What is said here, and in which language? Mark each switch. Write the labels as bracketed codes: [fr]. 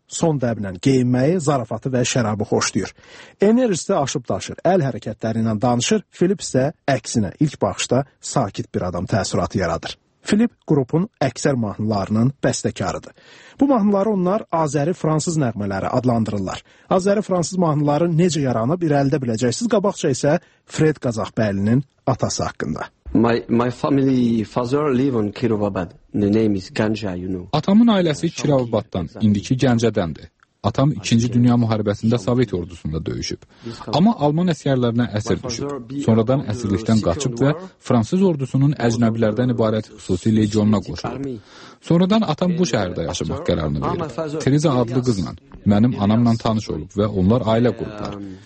[az] Son dəblə geyinməyi, zarafatı və şərabı xoşlayır. Enerjisi aşıb daşır, əl hərəkətləri ilə danışır, Filip isə əksinə ilk baxışda sakit bir adam təəssüratı yaradır. Filip qrupun əksər mahnılarının bəstəkarıdır. Bu mahnıları onlar Azəri-Fransız nəğmələri adlandırırlar. Azəri-Fransız mahnıları necə yaranıb irəlidə biləcəksiniz? Qabaqca isə Fred Qazaxbəylinin atası haqqında. [en] My family father live on Kirovabad. The name is Ganja, you know. [az] Atamın ailəsi Kirovabaddan, indiki Gəncədəndir. Atam 2-ci Dünya Müharibəsində Sovet ordusunda döyüşüb. Amma Alman əsgərlərinə əsir düşüb. Sonradan əsirlikdən qaçıb və Fransız ordusunun əcnəbilərdən ibarət xüsusi legionuna qoşulub. Sonradan atam bu şəhərdə yaşamaq qərarını verib. Teriza adlı qızla, mənim anamla tanış olub və onlar ailə qurublar.